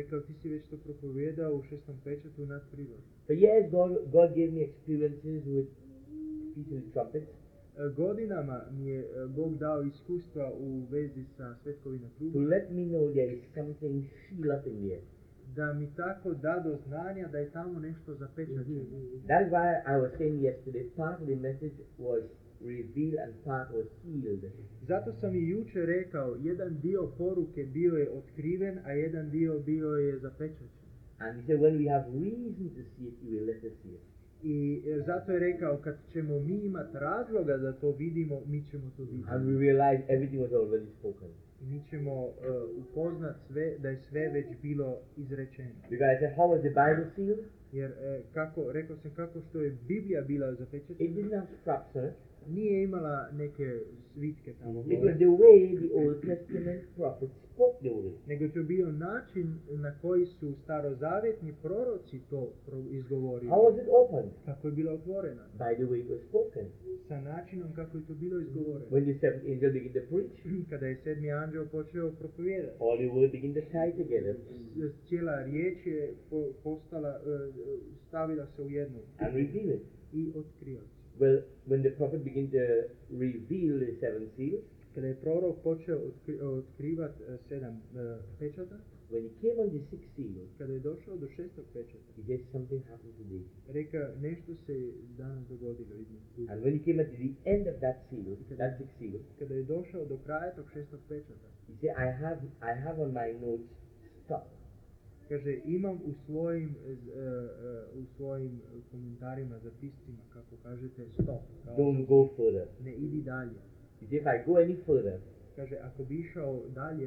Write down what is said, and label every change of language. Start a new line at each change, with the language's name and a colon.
Croatian: Rekao, ti si već to propovedao u šestom pečatu nadprirodno.
English: For years, God gave me experiences with Peter's trumpets.
Croatian: Godinama mi je Bog dao iskustva u vezi sa svetkovina truba.
English: To let me know there is something sealed up in the air.
Croatian: Da mi tako da do znanja da je tamo nešto zapečaćeno.
English: That's why I was saying yesterday, part of the message was revealed and part was sealed.
Croatian: Zato sam i jučer rekao, jedan dio poruke bio je otkriven, a jedan dio bio je zapečaćen.
English: And he said, when we have reason to see it, we let it see it.
Croatian: I zato je rekao, kad ćemo mi imati razloga da to vidimo, mi ćemo to vidjeti.
English: And we realize everything was already spoken.
Croatian: Mi ćemo upoznat sve, da je sve već bilo izrečeno.
English: Because I said, how was the Bible sealed?
Croatian: Jer kako, rekao sam kako što je Biblija bila zapečaćena.
English: It didn't have structure.
Croatian: Nije imala neke svitke tamo.
English: It was the way the Old Testament prophets spoke the Old.
Croatian: Nego to bio način na koji su starozavjetni proroci to izgovorili.
English: How was it opened?
Croatian: Kako je bila otvorena.
English: By the way it was spoken.
Croatian: Sa načinom kako je to bilo izgovoreno.
English: When the seventh angel began to preach.
Croatian: Kada je sedmi anđeo počeo propovijedati.
English: All the words began to tie together.
Croatian: Cijela riječ je postala, stavila se u jednu.
English: And reveal it.
Croatian: I otkrio.
English: Well, when the prophet began to reveal the seven seals,
Croatian: kada je prorok počeo otkrivat sedam pečata,
English: when he came on the sixth seal,
Croatian: kada je došao do šestog pečata,
English: he said something happened to me.
Croatian: Rekao, nešto se danas dogodilo.
English: And when he came at the end of that seal, that sixth seal,
Croatian: kada je došao do kraja tog šestog pečata,
English: he said, I have on my notes, stop.
Croatian: Kaže, imam u svojim komentarima, zapiscima, kako kažete, stop. Kao
English: don't go further.
Croatian: Ne idi dalje.
English: If I go any further,
Croatian: kaže, ako bi išao dalje,